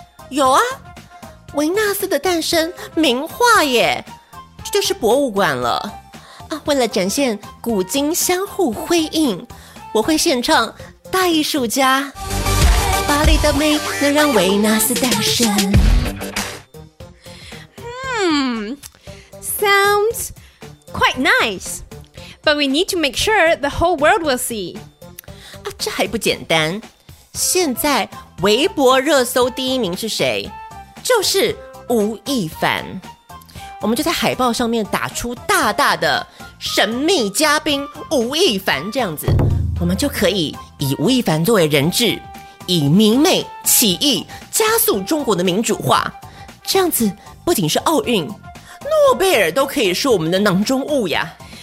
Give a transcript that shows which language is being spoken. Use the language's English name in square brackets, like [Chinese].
[Chinese] 有啊，维纳斯的诞生名画耶，这就是博物馆了。为了展现古今相互辉映，我会献唱大艺术家，巴黎的美能让维纳斯诞生。 [English] Sounds quite nice, but we need to make sure the whole world will see. [Chinese] 这还不简单？现在微博热搜第一名是谁？就是吴亦凡。我们就在海报上面打出大大的“神秘嘉宾吴亦凡”这样子。我们就可以以吴亦凡作为人质，以民媚起义加速中国的民主化，这样子不仅是奥运，诺贝尔都可以是我们的囊中物呀。